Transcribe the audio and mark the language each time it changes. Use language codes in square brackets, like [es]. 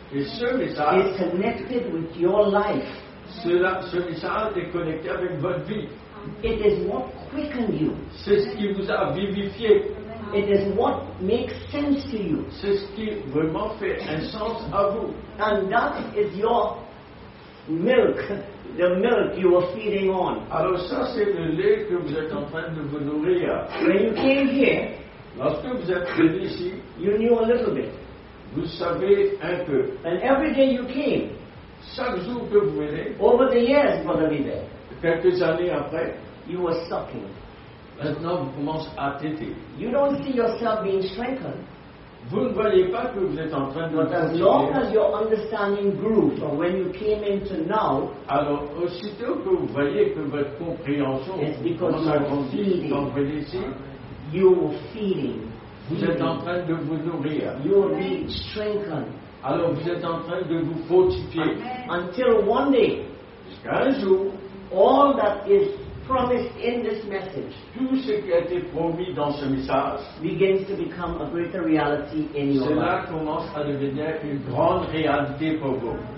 [fr] Et ce message. [en] Is connected with your life. [fr] Cela, ce message est connecté avec votre vie. [en] It is what quickened you. [fr] C'est ce qui vous a vivifié. [en] It is what makes sense to you. [fr] C'est ce qui vraiment fait un sens à vous. [en] And that is your milk, the milk you were feeding on. [fr] Alors ça c'est le lait que vous êtes en train de vous nourrir. [en] When you came here, [fr] lorsque vous êtes venu ici, [en] you knew a little bit. [fr] Vous savez un peu. [en] And every day you came, [fr] chaque jour que vous venez, [en] over the years, Brother Vivek, [fr] quelques années après, [en] you were sucking. [fr] Maintenant vous commencez à téter. [en] You don't see yourself being strengthened. [fr] Vous ne voyez pas que vous êtes en train de [en] but as long as your understanding grew from when you came into now, [fr] alors aussitôt que vous voyez que votre compréhension commence à grandir, vous êtes en train de vous nourrir. [en] You are being strengthened. [fr] Alors vous êtes en train de vous fortifier. [en] Until one day, [fr] jusqu'à un jour, [en] all that is promised in this message, [fr] tout ce qui a été promis dans ce message, [en] begins to become a greater reality in your [fr] cela [en] life. [fr] Cela commence à devenir une grande réalité pour vous.